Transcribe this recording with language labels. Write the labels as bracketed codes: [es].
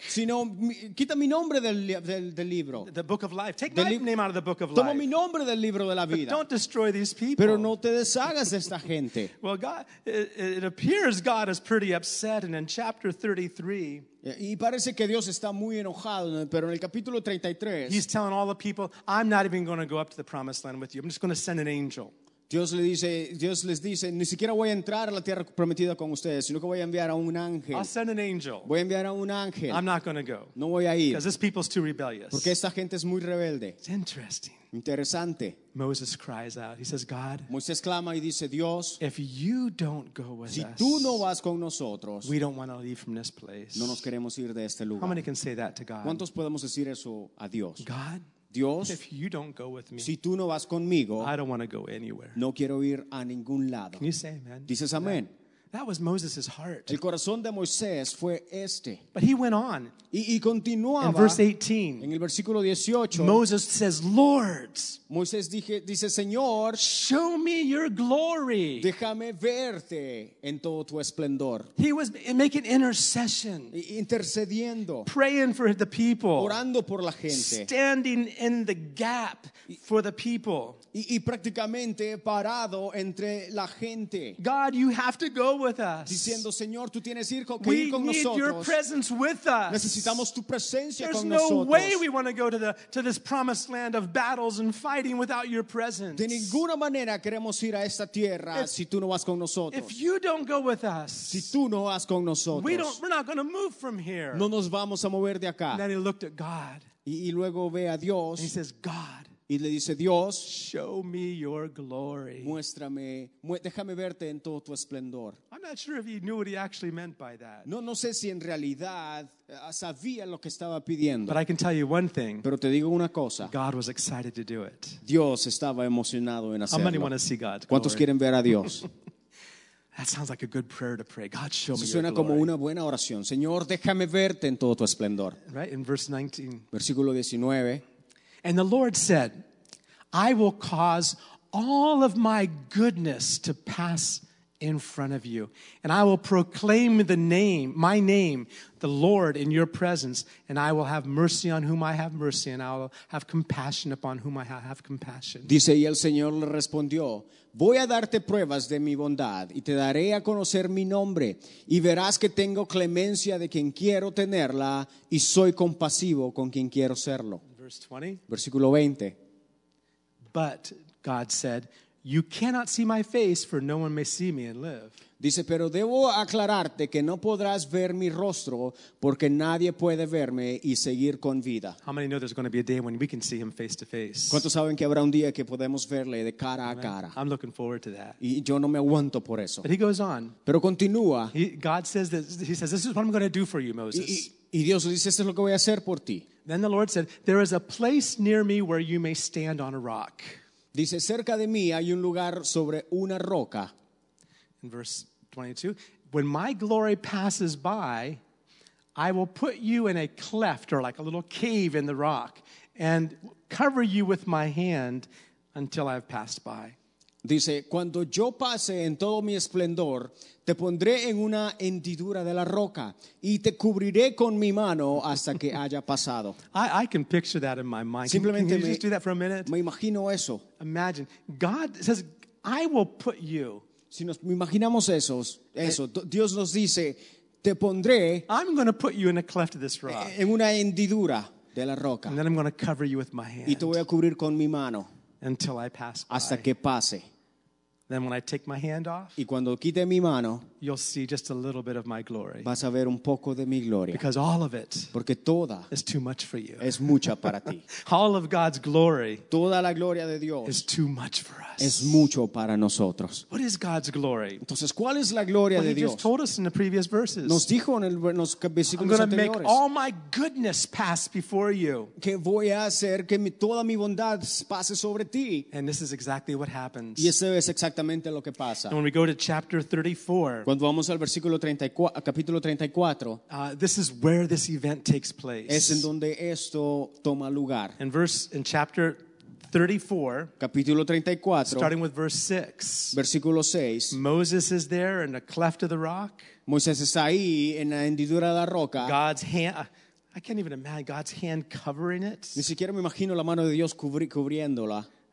[es] Sino, quita mi nombre del libro. [en] The book of life. Take my name out of the book of life. [es] Toma mi nombre del libro de la vida. [en] But don't destroy these people. [es] Pero no te deshagas de esta gente. [en] Well, God, it appears God is pretty upset, and in chapter 3, [es] y parece que Dios está muy enojado, pero en el capítulo 33 [en] he's telling all the people, I'm not even going to go up to the promised land with you, I'm just going to send an angel. [es] Dios les dice, ni siquiera voy a entrar a la tierra prometida con ustedes, sino que voy a enviar a un ángel. [en] I'll send an angel. [es] Voy a enviar a un ángel. [en] I'm not going to go. [es] No voy a ir. [en] Because this people's too rebellious. [es] Porque esta gente es muy rebelde. [en] It's interesting. [es] Interesante. [en] Moses cries out. He says, God, [es] Moisés clama y dice, Dios, [en] if you don't go with [es] si [en] us, [es] tú no vas con nosotros, [en] we don't want to leave from this place. [es] No nos queremos ir de este lugar. [en] How many can say that to God? [es] ¿Cuántos podemos decir eso a Dios? [en] God, [es] Dios, [en] if you don't go with me, [es] si tú no vas conmigo, [en] I don't want to go anywhere. [es] No quiero ir a ningún lado. [en] Can you say amen? [es] Dices amén. [en] That was Moses' heart. [es] El corazón de Moisés fue este. [en] But he went on. [es] Y continuaba. [en] In verse 18. [es] En el versículo 18. [en] Moses says, Lord. [es] Moisés dice, Señor. [en] Show me your glory. [es] Déjame verte en todo tu esplendor. [en] He was making intercession. [es] Intercediendo. [en] Praying for the people. [es] Orando por la gente. [en] Standing in the gap for the people. [es] Y prácticamente parado entre la gente. [en] God, you have to go with us. [es] Diciendo, Señor, tú tienes ir con [en] we [es] nosotros. [en] We need your presence with us. [es] Necesitamos tu presencia [en] There's [es] con [en] no [es] nosotros. [en] There's no way we want to go to this promised land of battles and fighting without your presence. [es] De ninguna manera queremos ir a esta tierra if, si tú no vas con nosotros. [en] If you don't go with us, [es] si tú no vas con nosotros, [en] we're not going to move from here. [es] No nos vamos a mover de acá. [en] And then he looked at God. [es] Y luego ve a Dios. [en] And he says, God. [es] Y le dice, Dios, [en] show me your glory. [es] Muéstrame, déjame verte en todo tu esplendor. [en] I'm not sure if he knew what he actually meant by that. [es] No sé si en realidad sabía lo que estaba pidiendo. [en] But I can tell you one thing. [es] Pero te digo una cosa. [en] God was excited to do it. [es] Dios estaba emocionado en hacerlo. [en] How many want to see God's [es] ¿Cuántos [en] glory? [es] Quieren ver a Dios? [en] That sounds like a good prayer to pray. God, show me your [es] glory. Suena como una buena oración. Señor, déjame verte en todo tu esplendor. [en] Right, in verse 19. [es] Versículo 19. [en] And the Lord said, I will cause all of my goodness to pass in front of you. And I will proclaim my name, the Lord, in your presence. And I will have mercy on whom I have mercy. And I will have compassion upon whom I have compassion. [es] Dice, y el Señor le respondió, voy a darte pruebas de mi bondad y te daré a conocer mi nombre. Y verás que tengo clemencia de quien quiero tenerla y soy compasivo con quien quiero serlo. [en] Verse 20. [es] Versículo 20. [en] But God said, you cannot see my face, for no one may see me and live. [es] Dice, pero debo aclararte que no podrás ver mi rostro porque nadie puede verme y seguir con vida. [en] How many know there's going to be a day when we can see him face to face? [es] ¿Cuántos saben que habrá un día que podemos verle de cara a cara? [en] I'm looking forward to that. [es] Y yo no me aguanto por eso. [en] But he goes on. [es] Pero continúa. [en] God says this. He says, this is what I'm going to do for you, Moses. [es] Y Dios dice, esto es lo que voy a hacer por ti. [en] Then the Lord said, there is a place near me where you may stand on a rock. [es] Dice, cerca de mí hay un lugar sobre una roca. [en] In verse 22, when my glory passes by, I will put you in a cleft or like a little cave in the rock and cover you with my hand until I have passed by. [es] Dice, cuando yo pase en todo mi esplendor, te pondré en una hendidura de la roca y te cubriré con mi mano hasta que haya pasado. [en] I can picture that in my mind. [es] Simplemente [en] can you just do that for a minute? [es] Me imagino eso. [en] Imagine. God says, I will put you. [es] Si nos imaginamos eso, Dios nos dice, te pondré, [en] I'm going to put you in a cleft of this rock. [es] En una hendidura de la roca. [en] And then I'm going to cover you with my hand. [es] Y te voy a cubrir con mi mano. [en] Until I pass by. [es] Hasta que pase. [en] Then when I take my hand off, [es] y cuando quite mi mano, [en] you'll see just a little bit of my glory. [es] Vas a ver un poco de mi gloria. [en] Because all of it, [es] porque toda, [en] is too much for you. [es] Es mucha para ti. [en] All of God's glory, [es] toda la gloria de Dios, [en] is too much for us. [es] Es mucho para nosotros. [en] What is God's glory? [es] Entonces, ¿cuál es la gloria [en] well, [es] de Dios? [en] He just told us in the previous verses. [es] Nos dijo en los versículos anteriores. [en] I'm going to make all my goodness pass before you. [es] Que voy a hacer que toda mi bondad pase sobre ti. [en] And this is exactly what happens. [es] Y eso es exactamente lo que pasa. [en] And when we go to chapter 34. [es] Vamos al versículo 34, capítulo 34. [en] This is where this event takes place. [es] Es en donde esto toma lugar. [en] In verse, in chapter 34, [es] capítulo 34, [en] starting with verse 6. [es] Versículo 6. [en] Moses is there in a cleft of the rock. [es] Moisés está ahí en la hendidura de la roca. [en] God's hand. I can't even imagine God's hand covering it. [es] Ni siquiera me imagino la mano de Dios cubriéndola.